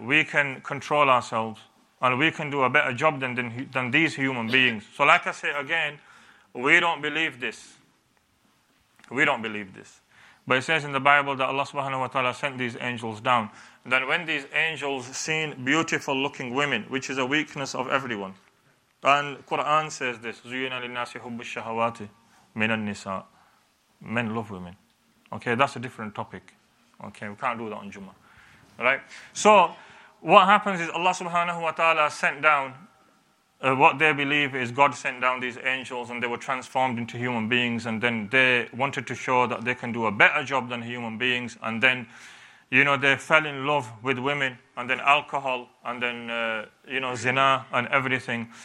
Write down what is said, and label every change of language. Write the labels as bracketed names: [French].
[English] We can control ourselves, and we can do a better job than these human beings. So like I say again, we don't believe this. We don't believe this. But it says in the Bible that Allah subhanahu wa ta'ala sent these angels down. Then when these angels seen beautiful looking women, which is a weakness of everyone. And Quran says this, [Arabic] زُيِّنَ لِلنَّاسِ حُبُّ الشَّهَوَاتِ مِنَ النِّسَاءِ. [English] Men love women. Okay, that's a different topic. Okay, we can't do that on Jummah. Right? So, what happens is Allah subhanahu wa ta'ala sent down, what they believe is God sent down these angels and they were transformed into human beings, and then they wanted to show that they can do a better job than human beings, and then, you know, they fell in love with women and then alcohol and then, you know, zina and everything.